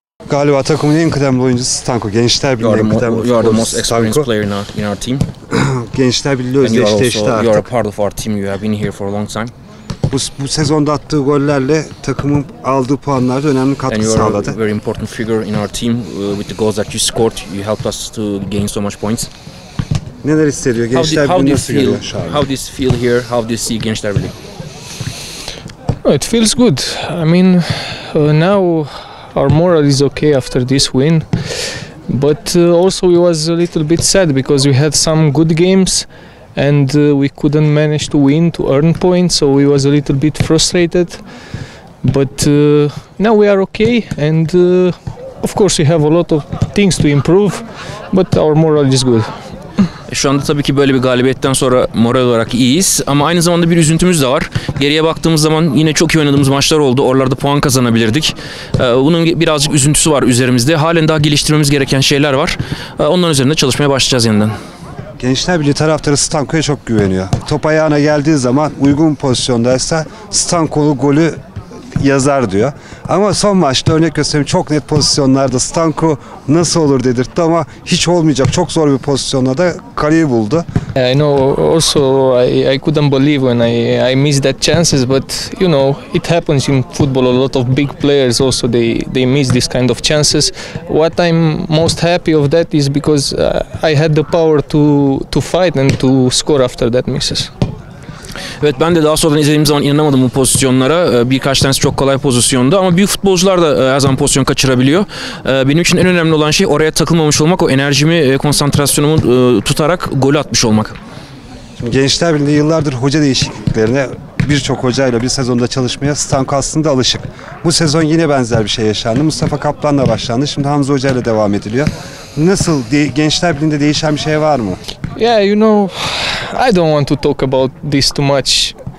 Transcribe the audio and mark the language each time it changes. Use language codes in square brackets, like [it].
[tr] galiba takımın en kıdemli oyuncusu Stanko. Gençler Birliği en kıdemli oyuncusu. [en] You are the most experienced player in our team. [tr] Gençler Birliği özdeşleşti artık. [en] You are a part of our team. You have been here for a long time. [tr] Bu sezonda attığı gollerle takımın aldığı puanlarda önemli katkı sağladı. [en] And you are a very important figure in our team with the goals that you scored. You helped us to gain so much points. [tr] Neler hissediyor Gençler Birliği nasıl [en] feel, [tr] görüyor şu an? [en] How do you feel here? How do you see Gençler Birliği? It feels good. I mean, now our morale is okay after this win, but also it was a little bit sad because we had some good games and we couldn't manage to win, to earn points, so we was a little bit frustrated, but now we are okay and of course we have a lot of things to improve, but our morale is good. [tr] Şu anda tabii ki böyle bir galibiyetten sonra moral olarak iyiyiz. Ama aynı zamanda bir üzüntümüz de var. Geriye baktığımız zaman yine çok iyi oynadığımız maçlar oldu. Oralarda puan kazanabilirdik. Bunun birazcık üzüntüsü var üzerimizde. Halen daha geliştirmemiz gereken şeyler var. Onların üzerinde çalışmaya başlayacağız yeniden. Gençler Birliği taraftarı Stanko'ya çok güveniyor. Top ayağına geldiği zaman uygun pozisyondaysa Stanko'lu golü yazar diyor. Ama son maçta örnek göstereyim, çok net pozisyonlarda Stanko nasıl olur dedirtti ama hiç olmayacak çok zor bir pozisyonda da kaleyi buldu. [en] I know also I couldn't believe when I missed that chances, but you know it happens in football. A lot of big players also they miss this kind of chances. What I'm most happy of that is because I had the power to fight and to score after that misses. [tr] Evet, ben de daha sonradan izlediğim zaman inanamadım bu pozisyonlara. Birkaç tanesi çok kolay pozisyondu ama büyük futbolcular da her zaman pozisyon kaçırabiliyor. Benim için en önemli olan şey oraya takılmamış olmak, o enerjimi, konsantrasyonumu tutarak golü atmış olmak. Şimdi Gençler Birliği yıllardır hoca değişikliklerine, birçok hocayla bir sezonda çalışmaya Stanko aslında alışık. Bu sezon yine benzer bir şey yaşandı. Mustafa Kaplan'la başlandı, şimdi Hamza Hoca ile devam ediliyor. Nasıl, Gençler Birliği'nde değişen bir şey var mı? [en] Yeah, you know, I don't want to talk about this too much.